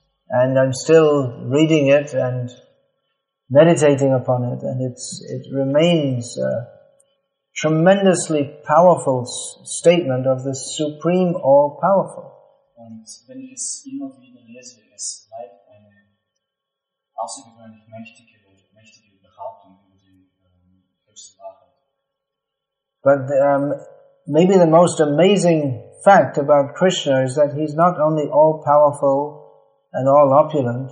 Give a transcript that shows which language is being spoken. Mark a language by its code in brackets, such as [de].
[en] And I'm still reading it and meditating upon it, and it remains a tremendously powerful statement of the supreme all-powerful. [de] Und wenn ich es immer wieder lese, es bleibt eine außergewöhnlich mächtige Behauptung über die höchste Wahrheit. [en] But maybe the most amazing fact about Krishna is that he's not only all powerful and all opulent.